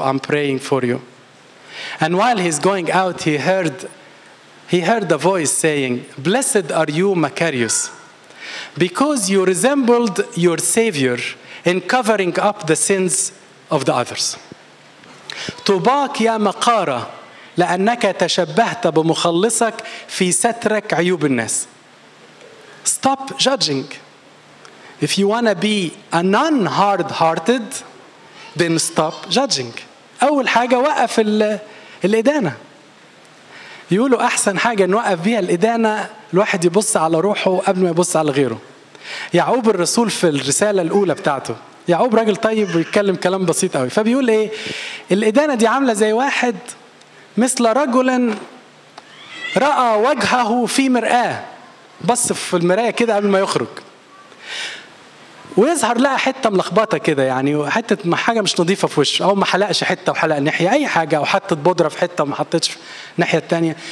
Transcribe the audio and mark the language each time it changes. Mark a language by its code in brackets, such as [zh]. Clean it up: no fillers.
[en] I'm praying for you. And while he's going out, he heard a voice saying, blessed are you, Macarius, because you resembled your Savior in covering up the sins of the others. [ar] توباك يا مقارة لأنك تشبهت بمخلصك في سترك عيوب الناس. [en] Stop judging. If you want to be a non-hard-hearted, then stop judging. [ar] أول حاجة وقف الإدانة. يقولوا أحسن حاجة نوقف بيها الإدانة الواحد يبص على روحه قبل ما يبص على غيره. يعقوب الرسول في الرسالة الأولى بتاعته، يعقوب راجل طيب ويتكلم كلام بسيط قوي، فبيقول إيه؟ الإدانة دي عاملة زي واحد مثل رجل رأى وجهه في مرآة، بص في المرآة كده قبل ما يخرج ويظهر لها حتة ملخبطة كده، يعني حتة حاجة مش نظيفة في وشه، أو ما حلقش حتة وحلق ناحية أي حاجة، أو حطت بودرة في حتة وما حطتش ناحية التانية.